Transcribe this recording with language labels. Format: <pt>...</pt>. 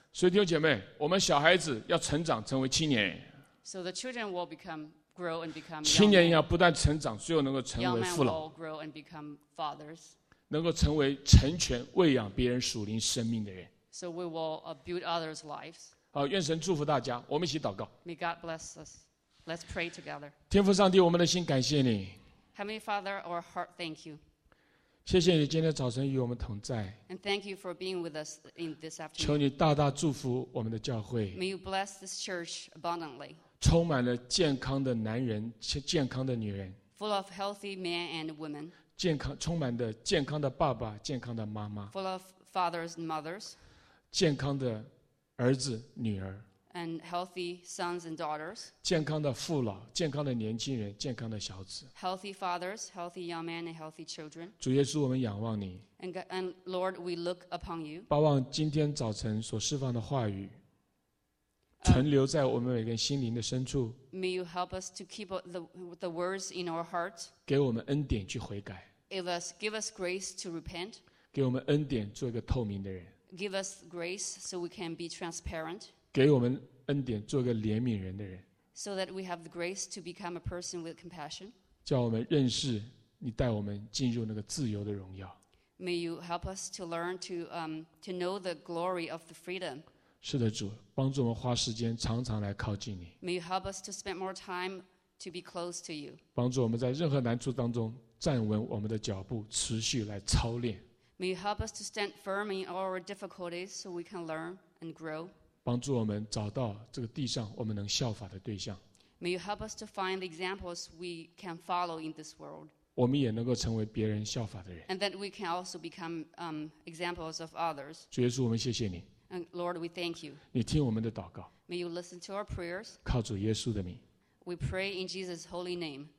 <zh>所以弟兄姐妹，我们小孩子要成长成为青年。</zh> <en>So the children will become grow and become.</en> <zh>青年要不断成长，最后能够成为父老。</zh> <en>Young men will grow and become fathers.</en> <zh>能够成为成全喂养别人属灵生命的人。</zh> <en>So we will build others' lives.</en> <zh>好，愿神祝福大家。我们一起祷告。</zh> <en>May God bless us. Let's pray together.</en> <zh>天父上帝，我们的心感谢你。</zh> <en>Heavenly Father, our heart thank you.</en> <zh>谢谢你今天早晨与我们同在。</zh> <en>And thank you for being with us in this afternoon.</en> <zh>求你大大祝福我们的教会。</zh> <en>May you bless this church abundantly.</en> <zh>充满了健康的男人，健康的女人。</zh> <en>Full of healthy men and women.</en> <zh>健康，充满的健康的爸爸，健康的妈妈。</zh> <en>Full of fathers and mothers.</en> <zh>健康的儿子，女儿。</zh> <en>And healthy sons and daughters.</en> <zh>健康的父老，健康的年轻人，健康的小子。</zh> <en>Healthy fathers, healthy young men, and healthy children.</en> <zh>主耶稣，我们仰望你。</zh> <en>And Lord, we look upon you.</en> <zh>把望今天早晨所释放的话语存留在我们每个人心灵的深处。</zh> <en>May you help us to keep the words in our hearts.</en> <zh>给我们恩典去悔改。</zh> <en>Give us grace to repent.</en> <zh>给我们恩典做一个透明的人。</zh> <en>Give us grace so we can be transparent.</en> <zh>给我们恩典，做个怜悯人的人。</zh> <en>So that we have the grace to become a person with compassion.</en> <zh>叫我们认识你带我们进入那个自由的荣耀。</zh> <en>May you help us to learn to know the glory of the freedom.</en> <zh>是的，主，帮助我们花时间常常来靠近你。</zh> <en>May you help us to spend more time to be close to you.</en> <zh>帮助我们在任何难处当中站稳我们的脚步，持续来操练。</zh> <en>May you help us to stand firm in all our difficulties so we can learn and grow.</en> <zh>帮助我们找到这个地上我们能效法的对象。</zh> <en>May you help us to find the examples we can follow in this world.</en> <zh>我们也能够成为别人效法的人。</zh> <en>And that we can also become examples of others.</en> <zh>主耶稣，我们谢谢你。</zh> <en>And Lord, we thank you.</en> <zh>你听我们的祷告。</zh> <en>May you listen to our prayers.</en> <zh>靠主耶稣的名。</zh> <en>We pray in Jesus' holy name.</en>